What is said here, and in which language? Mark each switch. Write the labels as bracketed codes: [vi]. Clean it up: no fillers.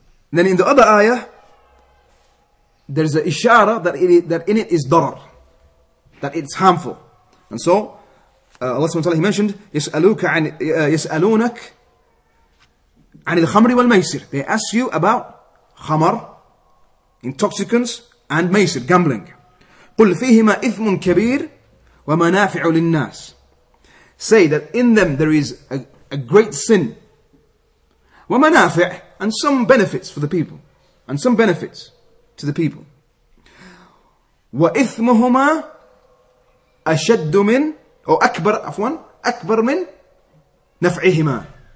[en] And then in the other ayah, there's an ishara that in it is darar, that it's harmful. And so, Allah subhanahu wa ta'ala, he mentioned, [ar] يسألونك عن الخمر والميسر. [en] They ask you about khamar, intoxicants, and maysir, gambling. [ar] قل فيهما إثم كبير ومنافع للناس. [en] Say that in them there is a great sin, وَمَنَافِعُ, and some benefits for the people, and some benefits to the people. [ar] وَإِثْمُهُمَا أَشَدُّ مِنْ, or أَكْبَرْ, أفوان, أَكْبَرْ مِنْ نَفْعِهِمَا.